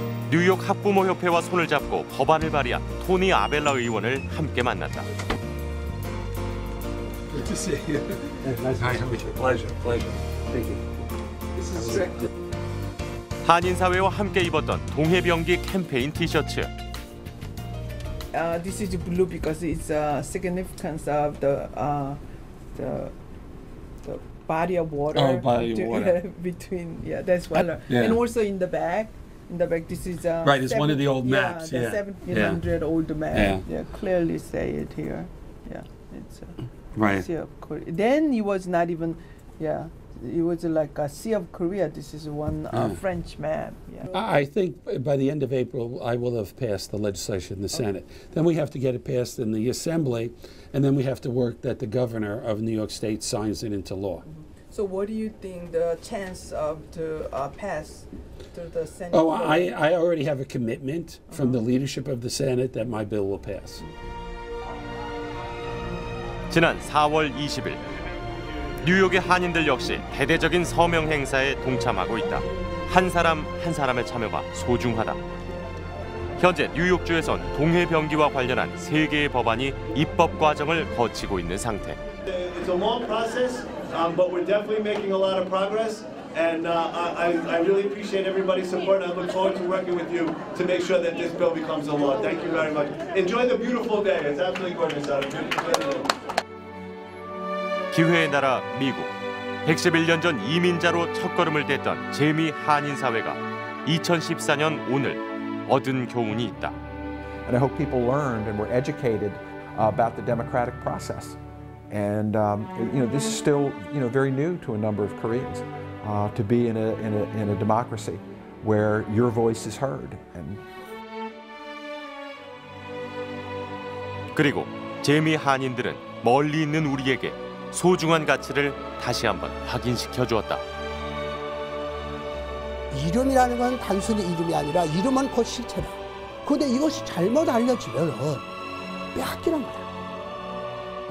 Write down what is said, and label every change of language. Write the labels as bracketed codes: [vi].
[ko] 뉴욕 학부모협회와 손을 잡고 법안을 발의한 토니 아벨라 의원을 함께 만났다. [en] Good to see you. Pleasure. Thank you. [ko] 한인 사회와 함께 입었던 동해병기 캠페인 티셔츠. [en] this is blue because it's a significance of the body of water. Oh, body of water. Between, yeah, that's well. Yeah. And also in the back. In the back, this is a right, it's one of the old maps. Yeah, the 1700 old map. Yeah, clearly say it here. Yeah, it's a right. Sea of Korea. Then it was not even, yeah, it was like a Sea of Korea. This is one French map. Yeah, I think by the end of April, I will have passed the legislation in the Senate. Then we have to get it passed in the Assembly, and then we have to work that the governor of New York State signs it into law. Mm-hmm. So, what do you think the chance of to pass? Oh, I already have a commitment from the leadership of the Senate that my bill will pass. [ko] 지난 4월 20일 뉴욕의 한인들 역시 대대적인 서명 행사에 동참하고 있다. 한 사람 한 사람의 참여가 소중하다. 현재 뉴욕주에선 동해 변기와 관련한 세 개의 법안이 입법 과정을 거치고 있는 상태. [en] It's a long process, but we're definitely making a lot of progress. And I really appreciate everybody's support. I look forward to working with you to make sure that this bill becomes a law. Thank you very much. Enjoy the beautiful day. It's absolutely gorgeous out here. [ko] 기회의 나라 미국. 111년 전 이민자로 첫 걸음을 뗐던 재미 한인 사회가 2014년 오늘 얻은 교훈이 있다. [en] And I hope people learned and were educated about the democratic process. And you know, this is still, you know, very new to a number of Koreans. To be in a democracy where your voice is heard. And [ko] 그리고 재미 한인들은 멀리 있는 우리에게 소중한 가치를 다시 한번 확인시켜 주었다. 이름이라는 건 단순히 이름이 아니라 이름은 곧 실체다. 그런데 이것이 잘못 알려지면은 뺏기는 거야.